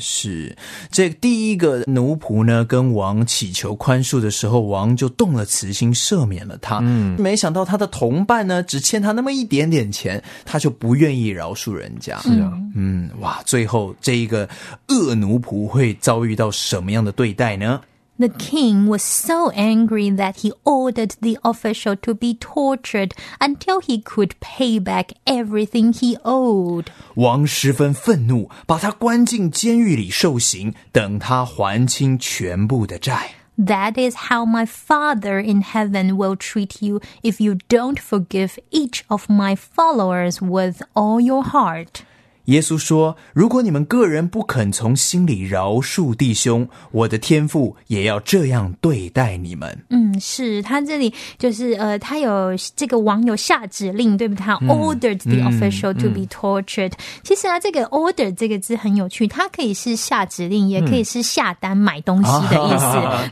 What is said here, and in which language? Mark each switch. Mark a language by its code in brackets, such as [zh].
[zh] 是这个、第一个奴仆呢跟王祈求宽恕的时候，王就动了慈心，赦免了他。没想到他的同伴呢，只欠他那么一点点钱，他就不愿意饶恕人家。是啊，哇，最后这一个恶奴仆会遭遇到什么样的对待呢？ [en] The king was so angry that he ordered the official to be tortured until he could pay back everything he owed. [zh] 王十分愤怒，把他关进监狱里受刑，等他还清全部的债。 [en] That is how my father in heaven will treat you if you don't forgive each of my followers with all your heart. [zh] 耶稣说，如果你们个人不肯从心里饶恕弟兄，我的天父也要这样对待你们。嗯，是，他这里就是他有这个网友下指令，对不对？他 [en] ordered the official to be tortured。 [zh] 其实啊，这个 order 这个字很有趣，它可以是下指令，也可以是下单买东西的意思。